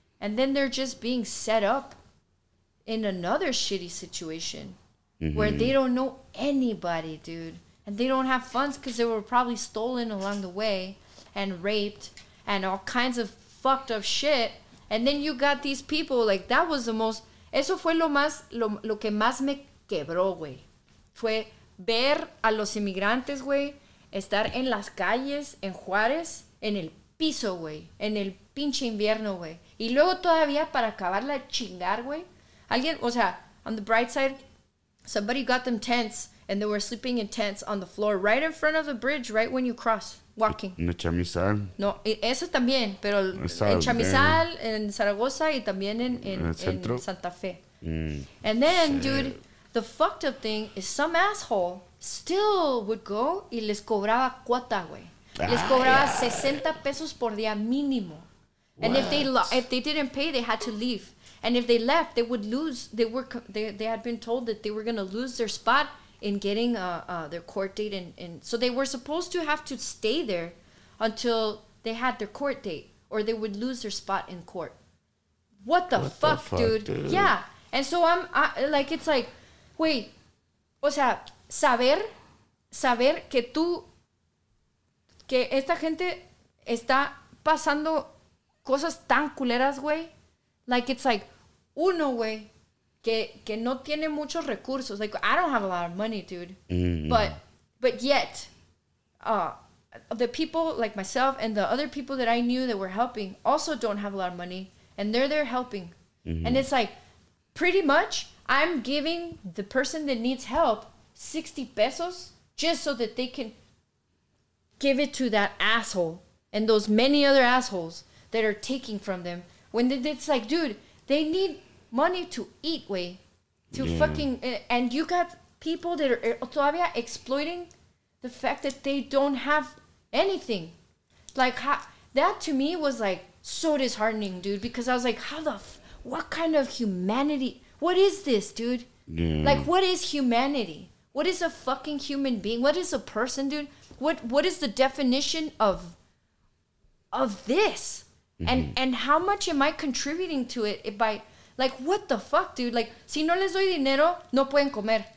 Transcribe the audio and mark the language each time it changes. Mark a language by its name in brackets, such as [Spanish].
[English] And then they're just being set up in another shitty situation mm-hmm. where they don't know anybody, dude. And they don't have funds because they were probably stolen along the way and raped and all kinds of fucked up shit. And then you got these people, like, that was the most... [Spanish] Eso fue lo que más me quebró, güey. Fue ver a los inmigrantes, güey, estar en las calles, en Juárez, en el piso, güey, en el pinche invierno, güey. Y luego todavía para acabarla chingar, güey. Alguien, o sea, [English] on the bright side, somebody got them tents and they were sleeping in tents on the floor right in front of the bridge right when you cross, walking. [Spanish] En Chamizal. No, eso también, pero en Chamizal, en Zaragoza y también en Santa Fe. Mm. [English] And then, shit. Dude, the fucked up thing is some asshole still would go [Spanish] y les cobraba cuota, güey. Les cobraba 60 pesos por día mínimo. [English] What? And if they didn't pay, they had to leave. And if they left, they would lose. They had been told that they were going to lose their spot in getting their court date. And so they were supposed to have to stay there until they had their court date or they would lose their spot in court. What the fuck, dude? Yeah. And so I'm like, it's like, wait, [Spanish] o sea, saber, saber que tú, que esta gente está pasando cosas tan culeras, güey. [English] Like, it's like, [Spanish] uno, güey, que no tiene muchos recursos. [English] Like, I don't have a lot of money, dude. Mm-hmm. But yet, the people like myself and the other people that I knew that were helping also don't have a lot of money. And they're there helping. Mm-hmm. And it's like, pretty much, I'm giving the person that needs help 60 pesos just so that they can give it to that asshole and those many other assholes that are taking from them. When it's like, dude, they need money to eat, way. To yeah. fucking... And you got people that are [Spanish] todavía [English] exploiting the fact that they don't have anything. Like, that to me was like so disheartening, dude. Because I was like, how the... What kind of humanity... What is this, dude? Yeah. Like, what is humanity? What is a fucking human being? What is a person, dude? What is the definition of this? Mm-hmm. And how much am I contributing to it by... Like, what the fuck, dude? [Spanish] Like, si no les doy dinero, no pueden comer.